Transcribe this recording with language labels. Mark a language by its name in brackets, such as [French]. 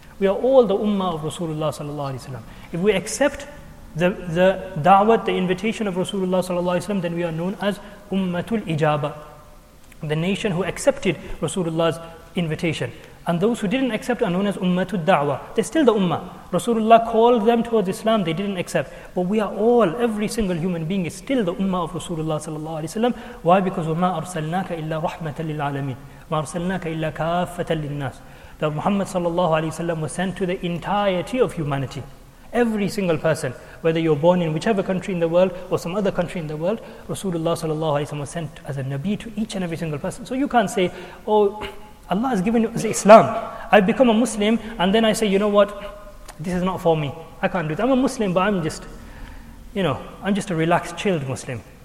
[English] We are all the ummah of Rasulullah sallallahu alayhi wa sallam. If we accept the da'wat, the invitation of Rasulullah sallallahu alayhi wa sallam, then we are known as Ummatul Ijaba, the nation who accepted Rasulullah's invitation. And those who didn't accept are known as Ummatul Da'wah. They're still the Ummah. Rasulullah called them towards Islam, they didn't accept. But we are all, every single human being is still the Ummah of Rasulullah sallallahu alayhi wa sallam. Why? [Arabic] Because وَمَا أَرْسَلْنَاكَ إِلَّا رَحْمَةً لِلْعَالَمِينَ وَأَرْسَلْنَاكَ إِلَّا كَافَةً لِلنَّاسِ. [English] That Muhammad sallallahu alayhi wa sallam was sent to the entirety of humanity. Every single person, whether you're born in whichever country in the world or some other country in the world, Rasulullah sallallahu alayhi wa sallam was sent as a Nabi to each and every single person. So you can't say, oh, Allah has given us Islam, I've become a Muslim, and then I say, you know what, this is not for me, I can't do it. I'm a Muslim, but I'm just a relaxed, chilled Muslim.